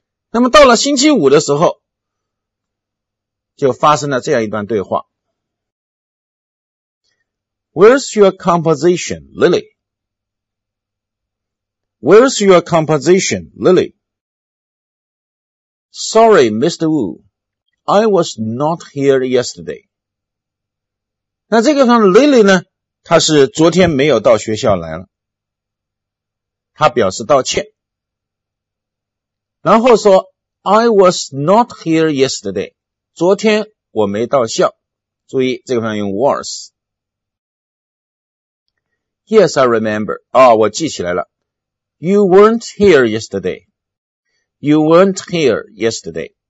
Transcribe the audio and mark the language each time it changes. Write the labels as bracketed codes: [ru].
[zh] 那么到了星期五的时候，就发生了这样一段对话。 [en] Where's your composition, Lily? Where's your composition, Lily? Sorry, Mr. Wu, I was not here yesterday. [zh] 那这个方 Lily 呢，他是昨天没有到学校来了，他表示道歉，然后说 [en] I was not here yesterday, [zh] 昨天我没到校。注意这个方用 was. [en] Yes, I remember. [zh] 哦，我记起来了。 [en] You weren't here yesterday You weren't here yesterday.